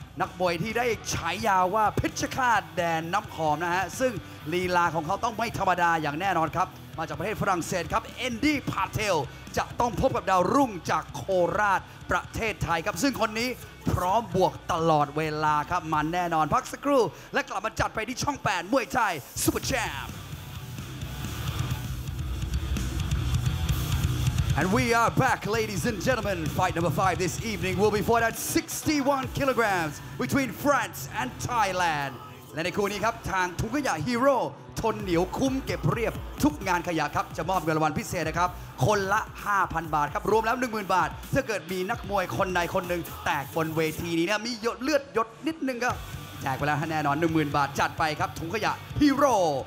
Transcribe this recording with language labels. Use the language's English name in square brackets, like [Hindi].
[Thai] นักมวยที่ได้ฉายาว่าเพชรฆาตแดนน้ำหอมนะฮะซึ่งลีลาของเขาต้องไม่ธรรมดาอย่างแน่นอนครับมาจากประเทศฝรั่งเศสครับเอ็นดี้พาเทลจะต้องพบกับดาวรุ่งจากโคราชประเทศไทยครับซึ่งคนนี้พร้อมบวกตลอดเวลาครับมันแน่นอนพักสักครู่และกลับมาจัดไปที่ช่อง8มวยไทยซูเปอร์แชมป์ [English] And we are back, ladies and gentlemen. Fight number 5 this evening will be fought at 61 kilograms between France and Thailand. [Thai] และในคู่นี้ครับทางทุ่งขยะฮีโร่ทนเหนียวคุ้มเก็บเรียบทุกงานขยะครับจะมอบเงินรางวัลพิเศษนะครับคนละ 5,000 บาทครับรวมแล้ว 10,000 บาทถ้าเกิดมีนักมวยคนใดคนหนึ่งแตกบนเวทีนี้นะมีหยดเลือดหยดนิดนึงก็แจกไปแล้วแน่นอน 10,000 บาทจัดไปครับทุ่งขยะฮีโร่